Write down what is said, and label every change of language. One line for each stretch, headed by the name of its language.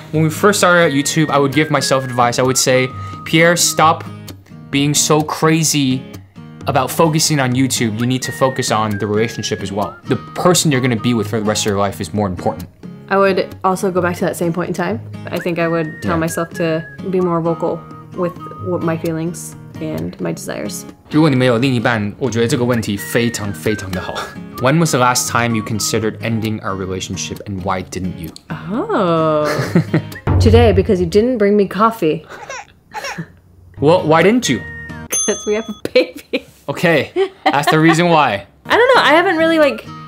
English: When we first started out YouTube, I would give myself advice. I would say, Pierre, stop being so crazy about focusing on YouTube, you need to focus on the relationship as well. The person you're going to be with for the rest of your life is more important. I would also go back to that same point in time. I think I would tell myself to be more vocal with what my feelings and my desires.
Chinese: 如果你没有另一半，我觉得这个问题非常非常的好。
English: When was the last time you considered ending our relationship and why didn't you? Oh, today because you didn't bring me coffee. Well, why didn't you? Because we have a baby. Okay, that's the reason why. I don't know, I haven't really like...